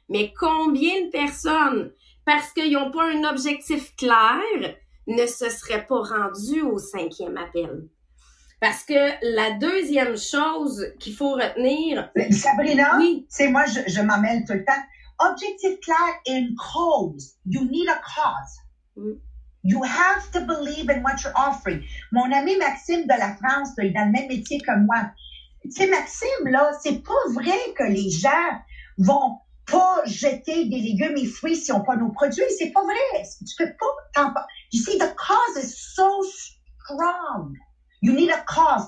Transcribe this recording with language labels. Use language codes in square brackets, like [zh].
[fr] Mais combien de personnes, parce qu'ils n'ont pas un objectif clair, ne se serait pas rendu au 5e appel. Parce que la deuxième chose qu'il faut retenir... Sabrina, oui. C'est moi, je m'en mêle tout le temps. Objectif clair et une cause. [en] You need a cause. You have to believe in what you're offering. [fr] Mon ami Maxime de la France, il est dans le même métier que moi. Tu sais, Maxime, là, c'est pas vrai que les gens vont... pas jeter des légumes et fruits si on n'a pas nos produits. C'est pas vrai. Tu peux pas t'en pas. [en] You see, the cause is so strong. You need a cause.